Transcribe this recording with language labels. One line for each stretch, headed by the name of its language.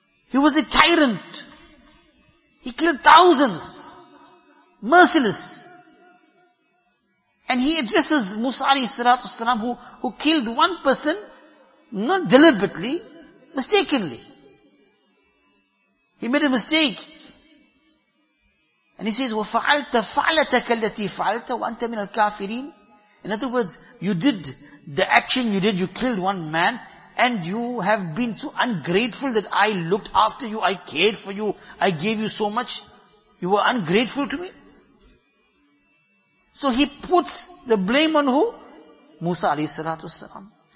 English: He was a tyrant. He killed thousands. Merciless. And he addresses Musa alayhi salatu wasalam, who killed one person, not deliberately, mistakenly. He made a mistake. And he says,
Arabic: وَفَعَلْتَ فَعْلَتَكَ الَّتِي فَعَلْتَ وَأَنْتَ مِنَ الْكَافِرِينَ.
English: In other words, you did the action you did, you killed one man, and you have been so ungrateful that I looked after you, I cared for you, I gave you so much. You were ungrateful to me? So he puts the blame on who? Musa alayhi salatu wasalam.